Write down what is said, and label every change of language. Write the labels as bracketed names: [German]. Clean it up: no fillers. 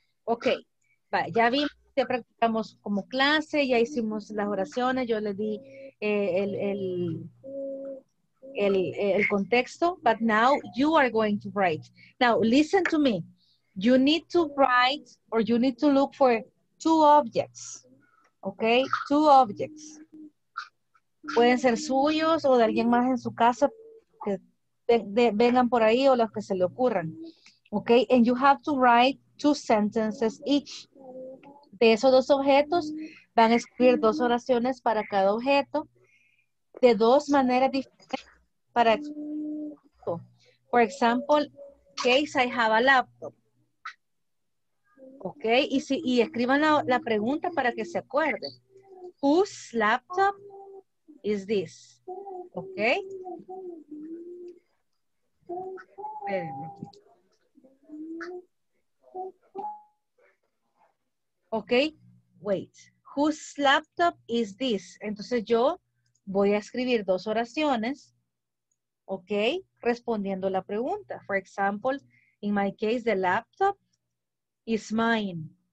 [Spanish] Okay, bye. Ya vi. Ya practicamos como clase, ya hicimos las oraciones, yo le di el contexto, [English] but now you are going to write. Now, listen to me. You need to write or you need to look for two objects. Okay? Two objects. [Spanish] Pueden ser suyos o de alguien más en su casa que vengan por ahí o los que se le ocurran. [English] Okay? And you have to write two sentences each. [Spanish] De esos dos objetos, van a escribir dos oraciones para cada objeto de dos maneras diferentes para explicarlo. [English] For example, in case I have a laptop. Ok, [Spanish] y escriban la pregunta para que se acuerden. [English] Whose laptop is this? Ok. [Spanish] Espérenme. [English] Okay, wait. Whose laptop is this? [Spanish] Entonces yo voy a escribir dos oraciones, okay, respondiendo la pregunta. [English] For example, in my case, the laptop is mine.